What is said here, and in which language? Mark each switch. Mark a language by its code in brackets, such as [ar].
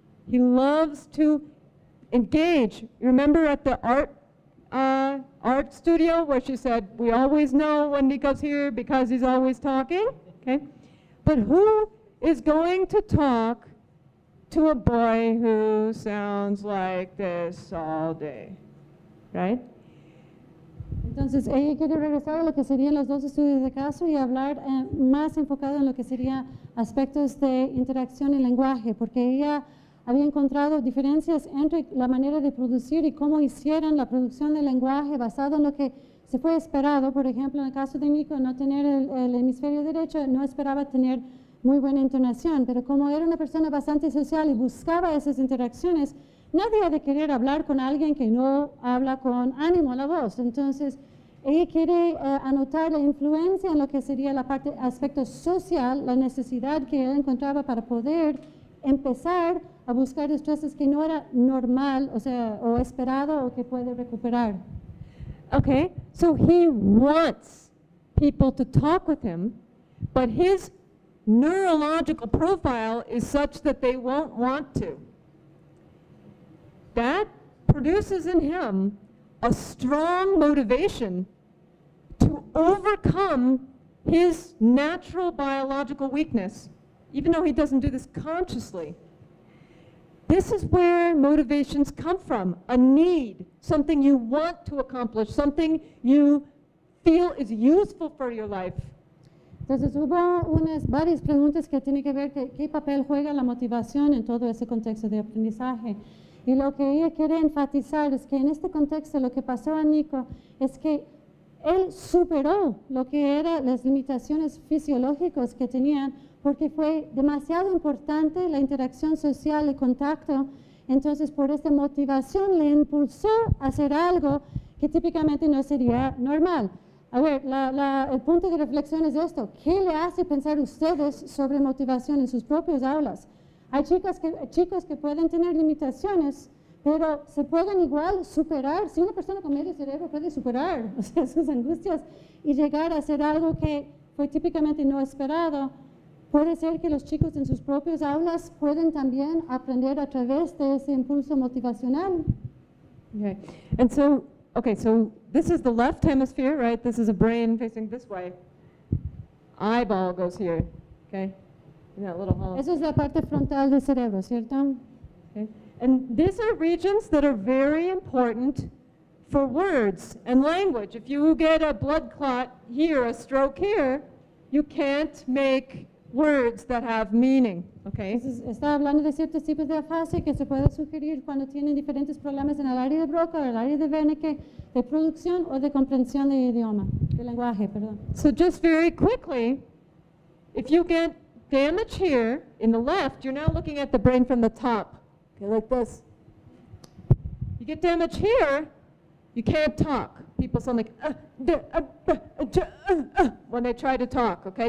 [en] He loves to engage. Remember at the art studio where she said, we always know when Nico's here because he's always talking? Okay. But who is going to talk to a boy who sounds like this all day? Right? [es] Entonces, ella quiere regresar a lo que serían los dos estudios de caso y hablar más enfocado en lo que serían aspectos de interacción y lenguaje, porque ella había encontrado diferencias entre la manera de producir y cómo hicieron la producción del lenguaje basado en lo que se fue esperado. Por ejemplo, en el caso de Nico, no tener el hemisferio derecho, no esperaba tener muy buena entonación, pero como era una persona bastante social y buscaba esas interacciones, nadie ha de querer hablar con alguien que no habla con ánimo la voz. Entonces, ella quiere anotar la influencia en lo que sería la parte aspecto social, la necesidad que él encontraba para poder empezar a buscar destrezas que no era normal, o sea, o esperado, o que puede recuperar. Okay, so he wants people to talk with him, but his neurological profile is such that they won't want to. That produces in him a strong motivation to overcome his natural biological weakness, even though he doesn't do this consciously. This is where motivations come from, a need, something you want to accomplish, something you feel is useful for your life. Entonces hubo unas varias preguntas que tienen que ver con qué papel juega la motivación en todo ese contexto de aprendizaje. Y lo que ella quiere enfatizar es que en este contexto lo que pasó a Nico es que él superó lo que eran las limitaciones fisiológicas que tenían porque fue demasiado importante la interacción social, el contacto. Entonces, por esta motivación le impulsó a hacer algo que típicamente no sería normal. A ver, el punto de reflexión es esto. ¿Qué le hace pensar ustedes sobre motivación en sus propias aulas? Hay chicos que pueden tener limitaciones, pero se pueden igual superar. Si una persona con medio cerebro puede superar, o sea, sus angustias y llegar a hacer algo que fue típicamente no esperado, puede ser que los chicos en sus propias aulas pueden también aprender a través de ese impulso motivacional. [en] Okay. And so, okay, so this is the left hemisphere, right? This is a brain facing this way. Eyeball goes here, okay? In that little hole. [es] Eso es la parte frontal del cerebro, ¿cierto? [en] Okay. And these are regions that are very important for words and language. If you get a blood clot here, a stroke here, you can't make words that have meaning, okay? [es] Está hablando de ciertos tipos de afasia que se puede sugerir cuando tienen diferentes problemas en el área de Broca o el área de Wernicke, de producción o de comprensión de idioma, de lenguaje, perdón. [en] So just very quickly, if you get damage here in the left, you're now looking at the brain from the top. Okay, like this. You get damage here, you can't talk. People sound like, when they try to talk, okay?